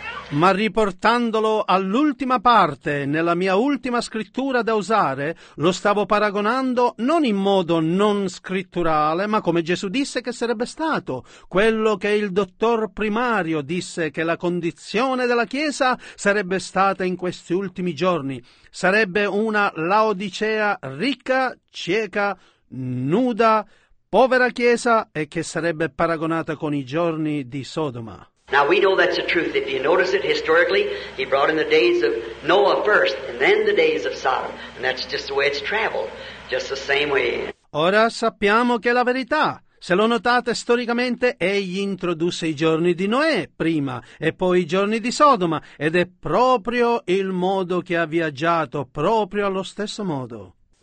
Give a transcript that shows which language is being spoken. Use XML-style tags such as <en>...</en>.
<it>Ma riportandolo all'ultima parte, nella mia ultima scrittura da usare, lo stavo paragonando non in modo non scritturale, ma come Gesù disse che sarebbe stato, quello che il dottor primario disse che la condizione della Chiesa sarebbe stata in questi ultimi giorni. Sarebbe una Laodicea ricca, cieca, nuda, povera Chiesa e che sarebbe paragonata con i giorni di Sodoma.</it> <en>Now we know that's the truth. If you notice it historically, he brought in the days of Noah first, and then the days of Sodom. And that's just the way it's traveled, just the same way.</en> <it>Ora sappiamo che è la verità. Se lo notate storicamente, egli introdusse i giorni di Noè prima, e poi i giorni di Sodoma, ed è proprio il modo che ha viaggiato, proprio allo stesso modo.</it>